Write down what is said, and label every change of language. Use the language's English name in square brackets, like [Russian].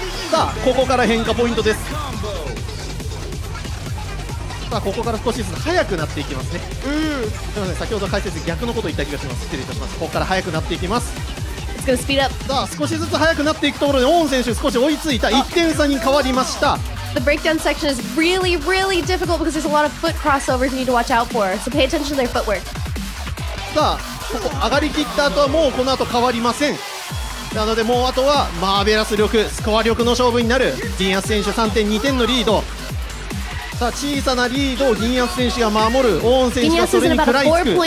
[Japanese] さあ、ここから変化ポイントです。さあ、ここから少しずつ速くなっていきますね。すみません、先ほど解説逆のことを言った気がします。失礼いたします。ここから速くなっていきます。 [English] It's gonna speed up. [Japanese] さあ、少しずつ速くなっていくところで大野選手少し追いついた。 1点差に変わりました。 [English] The breakdown section is really really difficult because there's a lot of foot crossovers you need to watch out for, so pay attention to their footwork. [Japanese] さあ、ここ上がりきった後はもうこの後変わりません。なのでもうあとはマーベラス力、スコア力の勝負になる。ディアス選手3点、2点のリード。さあ、小さなリードを銀谷選手が守る。オーン選手がそれに食らいつく。